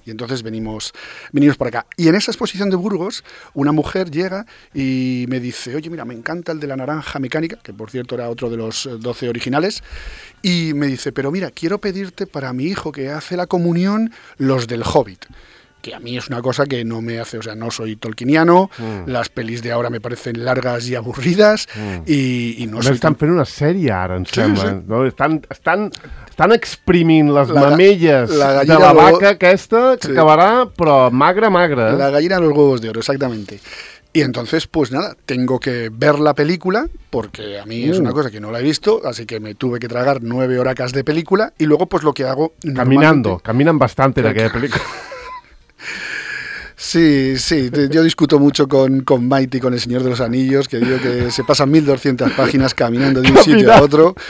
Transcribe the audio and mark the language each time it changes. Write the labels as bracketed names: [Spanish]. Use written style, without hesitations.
[Spanish] Y entonces venimos para acá. Y en esa exposición de Burgos, una mujer llega y me dice, oye, mira, me encanta el de la naranja mecánica, que por cierto era otro de los 12 originales, y me dice, pero mira, quiero pedirte para mi hijo que hace la comunión los del Hobbit. Que a mí es una cosa que no me hace, o sea, no soy tolkiniano, las pelis de ahora me parecen largas y aburridas, y no sé. [Catalan] Están fent una sèrie ara, em sembla. Sí. No? Estan exprimint les mamelles de la vaca aquesta, que acabarà, però magre. [Spanish] La gallina los huevos de oro, exactamente. Y entonces, pues nada, tengo que ver la película, porque a mí es una cosa que no la he visto, así que me tuve que tragar 9 horacas de película, y luego pues lo que hago... Caminando, caminan bastante en aquella película. Sí, yo discuto mucho con Maite y con El Señor de los Anillos, que digo que se pasan 1.200 páginas caminando de un sitio a otro.